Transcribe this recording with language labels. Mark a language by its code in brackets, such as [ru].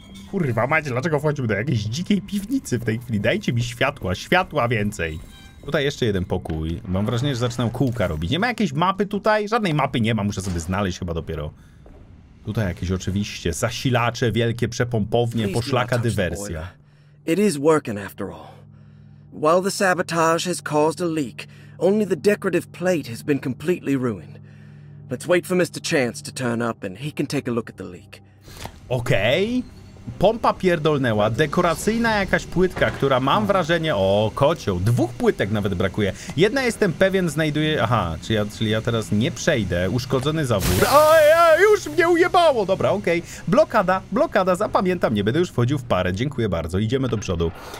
[pl] Kurwa mać, dlaczego wchodzimy do jakiejś dzikiej piwnicy w tej chwili? Dajcie mi światła, światła więcej. Tutaj jeszcze jeden pokój. Mam wrażenie, że zaczynam kółka robić. Nie ma jakiejś mapy tutaj? Żadnej mapy nie ma, muszę sobie znaleźć chyba dopiero. Tutaj jakieś oczywiście zasilacze, wielkie przepompownie, poszlaka dywersja. [en] It is working after all. While the sabotage has caused a leak, only the decorative plate has been completely ruined. Let's wait for Mr. Chance to turn up and he can take a look at the leak. Okej. Okay. [pl] Pompa pierdolnęła, dekoracyjna jakaś płytka, która mam wrażenie... O, kocioł, dwóch płytek nawet brakuje. Jedna jestem pewien znajduje... Aha, czyli ja teraz nie przejdę, uszkodzony zawór. Oj, już mnie ujebało! Dobra, okej. Okay. Blokada, zapamiętam, nie będę już wchodził w parę. Dziękuję bardzo, idziemy do przodu.